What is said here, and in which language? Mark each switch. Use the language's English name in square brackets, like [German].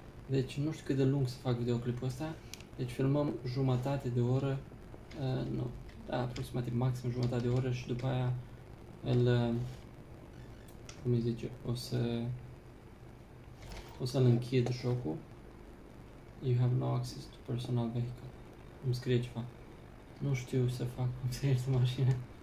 [Romanian] Deci nu știu cât de lung să fac videoclipul ăsta. Deci filmăm jumătate de oră. Nu, da, aproximativ maxim jumătate de oră și după aia cum îi zice, o să-l închid jocul. [English] You have no access to personal vehicle. [Romanian] Îmi scrie ceva. Nu știu să fac cum să ierte mașina.